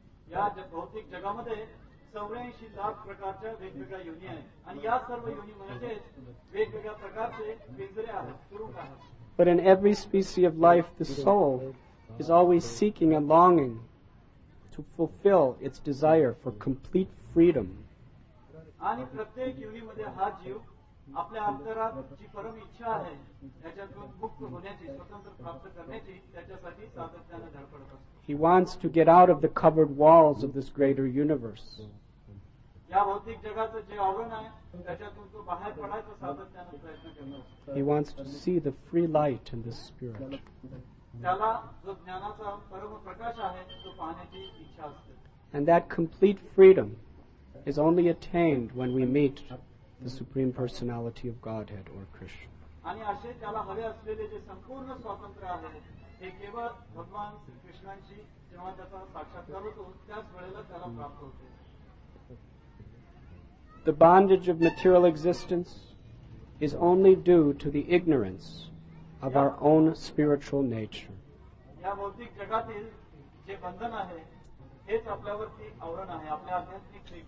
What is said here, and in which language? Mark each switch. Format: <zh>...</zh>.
<en>But in every species of life, the soul is always seeking and longing to fulfill its desire for complete freedom.</en> <mr>आणि प्रत्येक युनिमध्ये हा जीव आपल्या अंतरात जी परम इच्छा आहे त्याच्यातून मुक्त होण्याची, स्वतंत्र प्राप्त करण्याची त्याच्यासाठी सातत्याने धडपडत असतो.</mr> <en>He wants to get out of the covered walls of this greater universe.</en> <mr>या भौतिक जगाचं जे आवरण आहे त्याच्यातून तो बाहेर पडायचा सातत्याने प्रयत्न करतो.</mr> <en>He wants to see the free light in this spirit.</en> <mr>त्याला जो ज्ञानाचा परम प्रकाश आहे तो पाहण्याची इच्छा असते.</mr> <en>And that complete freedom is only attained when we meet the Supreme Personality of Godhead or Krishna.</en> <mr>आणि असे त्याला हवे असलेले जे संपूर्ण स्वातंत्र्य आहे हे केवळ भगवान श्री कृष्णांशी जेव्हा त्याचा साक्षात्कार होतो त्याच वेळेला त्याला प्राप्त होते.</mr> <en>The bondage of material existence is only due to the ignorance of our own spiritual nature.</en> <mr>या भौतिक जगातील जे बंधन आहे हेच आपल्यावरती आवरण आहे, आपल्या आध्यात्मिक</mr>